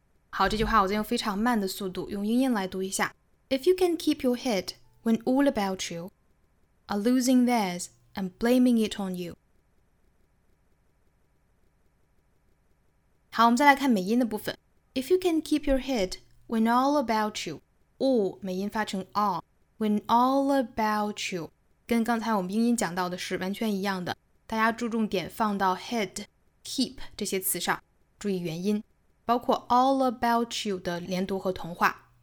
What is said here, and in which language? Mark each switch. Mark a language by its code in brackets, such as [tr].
[zh] 好，这句话我再用非常慢的速度用英音来读一下。 [en] If you can keep your head when all about youare losing theirs and blaming it on you. [zh] 好，我们再来看美音的部分。 [en] If you can keep your head when all about you, [zh] all 美音发成 all, [en] when all about you, [zh] 跟刚才我们英音讲到的是完全一样的，大家注重点放到 head, keep 这些词上，注意元音，包括 [en] all about you [zh] 的连读和同化。